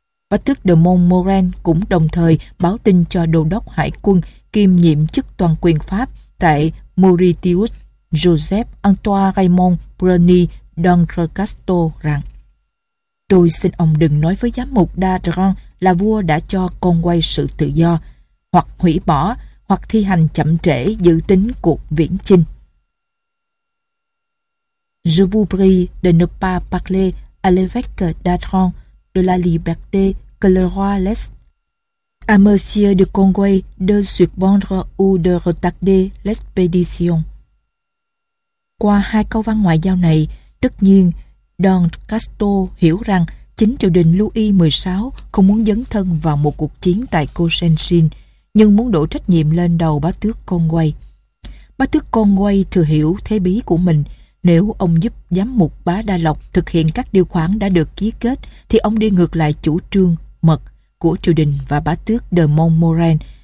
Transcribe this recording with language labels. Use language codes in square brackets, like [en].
[vi] Bá tước de Montmorin cũng đồng thời báo tin cho đô đốc hải quân kiêm nhiệm chức toàn quyền Pháp tại Mauritius Joseph Antoine Raymond Bruny d'Entrecasteaux rằng: "Tôi xin ông đừng nói với giám mục Da Drang là vua đã cho Conway sự tự do, hoặc hủy bỏ, hoặc thi hành chậm trễ dự tính cuộc viễn chinh. [fr] Je vous prie de ne pas parler à l'évêque Da Drang de la liberté que le roi laisse à monsieur de Conway de suspendre ou de retarder l'expédition." [vi] Qua hai câu văn ngoại giao này, tất nhiên d'Entrecasteaux hiểu rằng chính triều đình Louis XVI không muốn dấn thân vào một cuộc chiến tại Cochinchina, nhưng muốn đổ trách nhiệm lên đầu bá tước Conway. Bá tước Conway thừa hiểu thế bí của mình. Nếu ông giúp giám mục Bá Đa Lộc thực hiện các điều khoản đã được ký kết, thì ông đi ngược lại chủ trương mật của triều đình và bá tước de Montmorin.